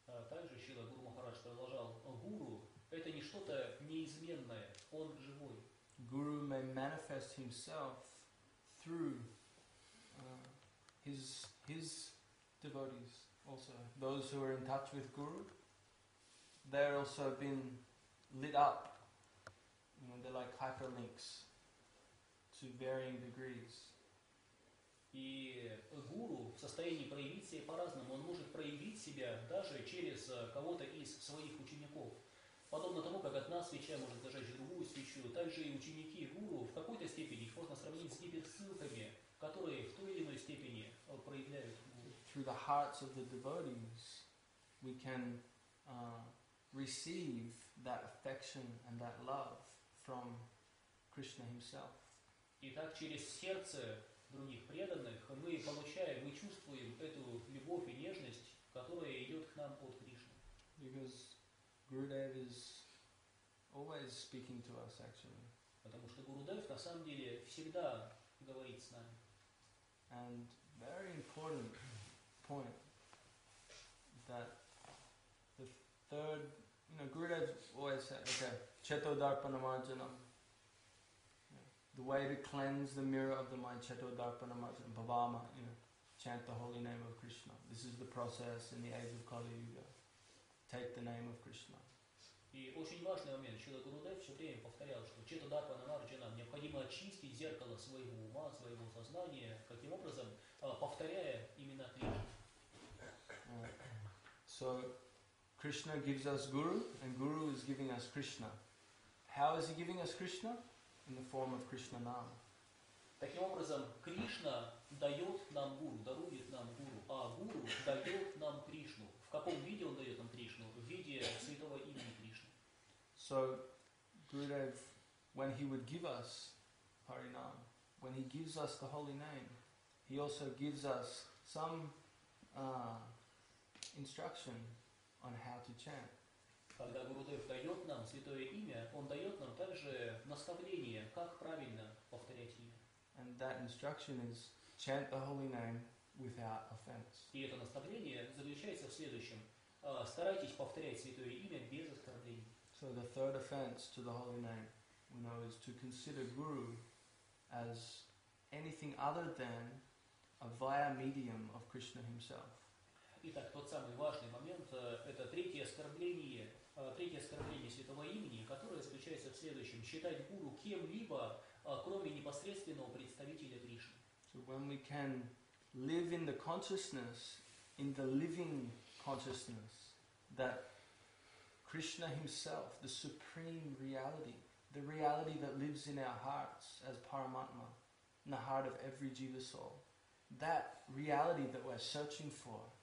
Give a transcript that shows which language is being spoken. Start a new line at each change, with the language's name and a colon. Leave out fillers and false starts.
Russian: Также Шрила Гуру Махарадж продолжал, Гуру – это не что-то неизменное, он живой.
English: Guru may manifest himself through his devotees. Also, those who are in touch with Guru, they're also been lit up, you know, they're like hyperlinks to varying degrees.
Russian: И Гуру в состоянии проявить себя по-разному, он может проявить себя даже через кого-то из своих учеников. Подобно тому, как одна свеча может зажечь другую свечу, также и ученики Гуру в какой-то степени их можно сравнить с гиперссылками, которые в той или иной степени проявляют
English: through the hearts of the devotees, we can receive that affection and that love from Krishna himself.
Russian: Итак, через сердце других преданных мы получаем, мы чувствуем эту любовь и нежность, которая идет к нам от Кришны.
English: Because Gurudev is always speaking to us, actually.
Russian: Потому что Гурудев на самом деле всегда говорит с нами.
English: And very important point that the third, you know, Gurudev always said, okay,
Sanskrit: cheto darpana marjanam,
English: the way to cleanse the mirror of the mind, cheto darpana marjanam, bhavama, you know, chant the holy name of Krishna. This is the process in the age of Kali Yuga. Take the name of Krishna.
Russian: И очень важный момент, Шрила Гурудев все время повторял, что
Sanskrit: чета дарпана марджанам,
Russian: необходимо очистить зеркало своего ума, своего сознания, каким образом, повторяя именно Кришну.
English: So, Krishna gives us Guru, and Guru is giving us Krishna. How is he giving us Krishna? In the form of Krishna Nama.
Russian: Таким образом, Кришна дает нам Гуру, дарует нам Гуру, а Гуру дает нам каком виде он дает нам Кришну? В виде святого имени Кришны.
English: So, Gurudev, when he would give us Harinam, when he gives us the holy name, he also gives us some instruction on how to chant.
Russian: Когда Гурудев дает нам святое имя, он дает нам также наставление, как правильно повторять имя.
English: And that instruction is chant the holy name without offense.
Russian: И это наставление заключается в следующем: старайтесь повторять святое имя без оскорблений.
English: So the third offense to the holy name, we know, is to consider Guru as anything other than a via medium of Krishna himself.
Russian: Итак, тот самый важный момент – это третье оскорбление святого имени, которое заключается в следующем: считать гуру кем-либо, кроме непосредственного представителя Кришны.
English: So when we can live in the consciousness, in the living consciousness, that Krishna himself, the supreme reality, the reality that lives in our hearts as Paramatma, in the heart of every jiva soul, that reality that we're searching for,